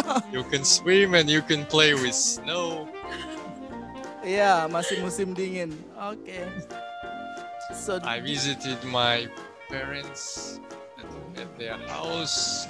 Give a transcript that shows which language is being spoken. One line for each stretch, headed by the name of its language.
English: You can swim and you can play with snow. Yeah,
Indonesian: masih musim dingin.
English: Okay. So I visited my parents at their house.